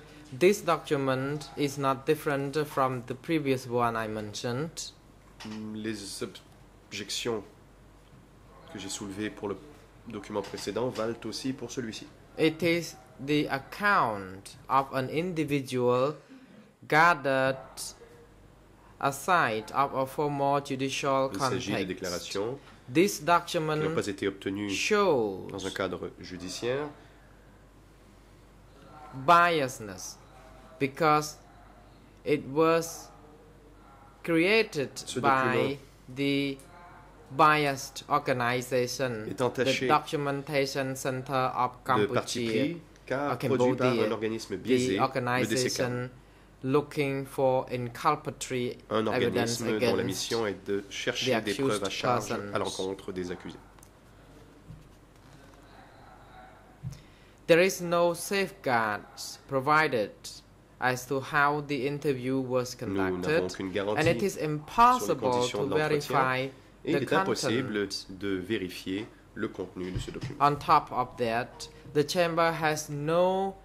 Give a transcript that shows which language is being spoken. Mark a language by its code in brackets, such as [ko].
[en] This document is not different from the previous one I mentioned. [fr] Les objections que j'ai soulevées pour le document précédent valent aussi pour celui-ci. [en] It is the account of an individual gathered aside of a former judicial context. [fr] Il s'agit de déclarations. [en] This document [fr] n'a pas été obtenu dans un cadre judiciaire. [en] Biasness. Because it was created by the biased organization, the Documentation Center of Cambodia, the organization looking for inculpatory evidence against [fr] dont la mission est de chercher des preuves à charge à l'encontre des accusés. [en] There is no safeguards provided as to how the interview was conducted, and it is impossible to verify the content. [fr] De vérifier le contenu de ce document. [en] On top of that, the chamber has no